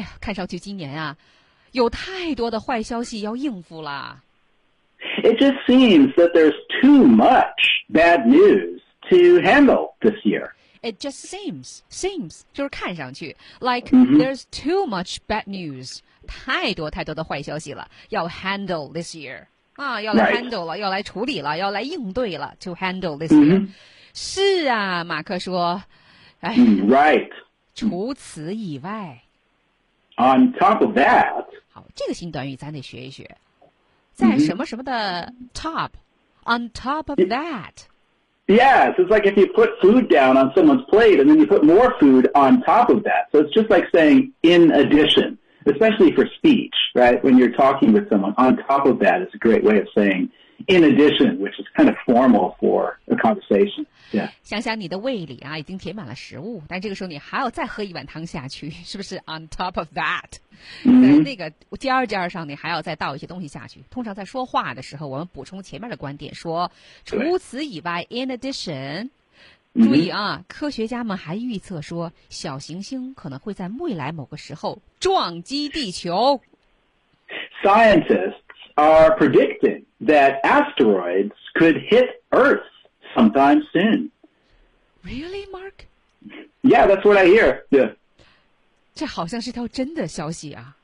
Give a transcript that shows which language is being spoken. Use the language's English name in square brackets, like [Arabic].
[Chinese] 哎呀，看上去今年啊，有太多的坏消息要应付了。 [English] It just seems that there's too much bad news to handle this year.” It just seems 就是看上去 like、mm-hmm. [Chinese] there's too much bad news 太多太多的坏消息了要 handle this year 啊要来 handle 了、 [English] right. [Chinese] 要来处理了要来应对了 to handle this year、 mm-hmm. 是啊马克说哎 [English] right [Chinese] 除此以外 [English] on top of that [Chinese] 好这个新短语咱得学一学在什么什么的 top、 mm-hmm. [English] on top of that Yes, it's like if you put food down on someone's plate and then you put more food on top of that. So it's just like saying in addition, especially for speech, right? When you're talking with someone, on top of that is a great way of saying in addition, which is kind of formal for a conversation. Yeah. [Chinese] 想想你的胃里啊已经填满了食物但这个时候你还要再喝一碗汤下去是不是 on top of that?、 Mm-hmm. 那个尖尖上你还要再倒一些东西下去。通常在说话的时候我们补充前面的观点说除此以外 in addition, 注意啊、 mm-hmm. 科学家们还预测说小行星可能会在未来某个时候撞击地球。 [English] Scientists are predicting that asteroids could hit Earth sometime soon. Really, Mark? Yeah, that's what I hear. Yeah. [Chinese] 这好像是条真的消息啊！